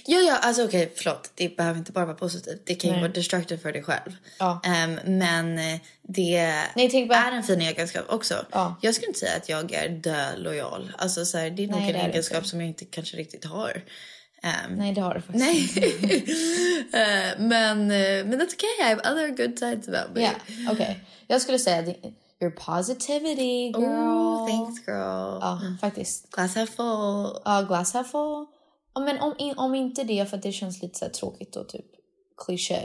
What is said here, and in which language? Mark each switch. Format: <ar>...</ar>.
<sv>Ja, alltså okej, förlåt. Det behöver inte bara vara positivt. Det kan ju vara destructive för dig själv. Ja. Men det är en fin egenskap också. Ja. Jag skulle inte säga att jag är dö-lojal. Alltså så här, det är nog en egenskap som jag inte kanske riktigt har. Nej, det har du faktiskt. Nej. men</sv> <en>that's okay, I have other good sides about me.</en> <sv>Ja, yeah. Okej. Okay. Jag skulle säga att...</sv> <en>Your positivity, girl. Ooh, thanks, girl.</en> <sv>Ja, faktiskt.</sv> <en>Glass half full. Ja, glass half full.</en> <sv>Men om inte det, för att det känns lite så tråkigt och typ cliché.</sv>